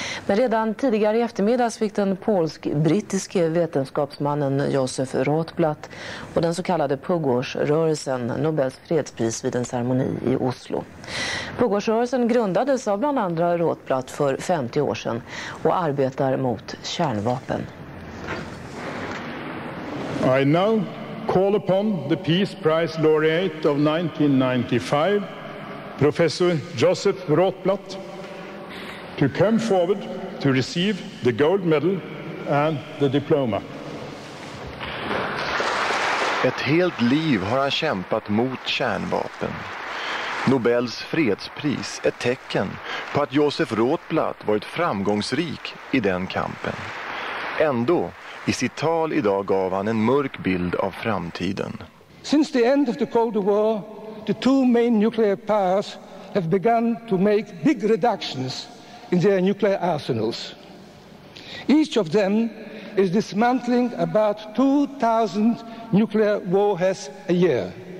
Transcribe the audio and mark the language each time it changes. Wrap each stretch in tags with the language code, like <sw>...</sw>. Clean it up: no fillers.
<sv>Men redan tidigare i eftermiddag fick den polsk-brittiske vetenskapsmannen Josef Rotblatt och den så kallade Pugårdsrörelsen Nobels fredspris vid en ceremoni i Oslo. Pugårdsrörelsen grundades av bland andra Rotblatt för 50 år sedan och arbetar mot kärnvapen.</sv> <en>I know. Call upon the Peace Prize laureate of 1995, Professor Josef Rotblatt, to come forward to receive the gold medal and the diploma.</en> <sv>Ett helt liv har han kämpat mot kärnvapen. Nobels fredspris är ett tecken på att Josef Rotblatt varit framgångsrik i den kampen. Ändå, i sitt tal idag gav han en mörk bild av framtiden.</sv> <en>Since the end of the Cold War, the two main nuclear powers have begun to make big reductions in their nuclear arsenals. Each of them is dismantling about 2,000 nuclear warheads a year.</en>